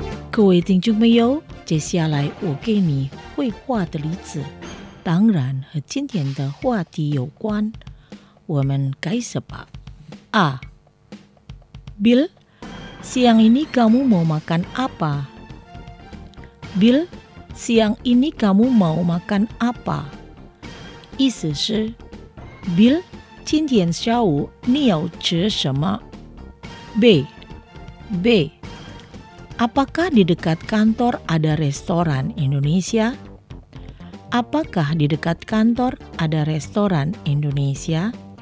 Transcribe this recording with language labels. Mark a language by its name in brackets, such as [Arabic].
[Chinese] 各位听众朋友，接下来我给你绘画的例子，当然和今天的话题有关，我们开始吧。 A. [Indonesian] Bill, siang ini kamu mau makan apa? Bill, siang ini kamu mau makan apa? [Chinese] 意思是 Bill, 今天下午你要吃什么？ B. [Indonesian] Apakah di dekat kantor ada restoran Indonesia? Apakah di dekat kantor ada restoran Indonesia?